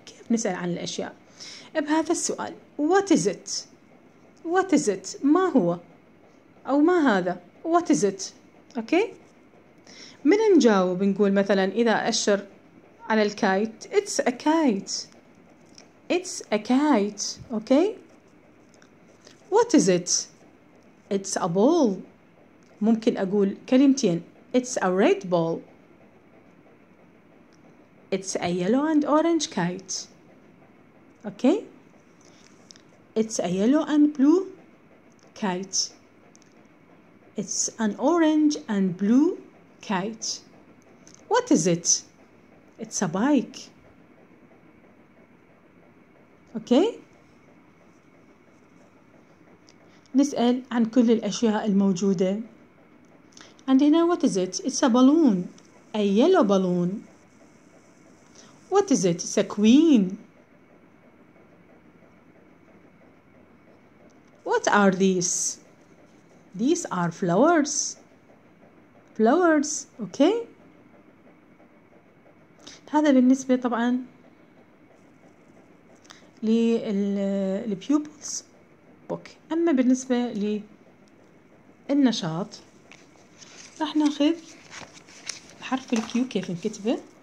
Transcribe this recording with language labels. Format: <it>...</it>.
<ar>كيف نسأل عن الأشياء؟ بهذا السؤال،</ar> <en>what is it؟ what is it؟</en> <ar>ما هو؟ أو ما هذا؟</ar> <en>what is it؟</en> <ar>أوكي، من نجاوب نقول مثلا إذا أشر على الكايت،</ar> <en>it's a kite، it's a kite. Okay, what is it؟ it's a ball.</en> <ar>ممكن أقول كلمتين،</ar> <en>it's a red ball، it's a yellow and orange kite. Okay, it's a yellow and blue kite، it's an orange and blue kite. what is it؟ it's a bike.</en> <ar>okay، نسأل عن كل الأشياء الموجودة.</ar> <en>and هنا what is it؟ it's a balloon، a yellow balloon. what is it؟ it's a queen. what are these؟ these are flowers، flowers.</en> <ar>okay، هذا بالنسبة طبعا للبيوبلز بوك. أما بالنسبة للنشاط، راح ناخذ حرف الكيو كيف نكتبه.</ar>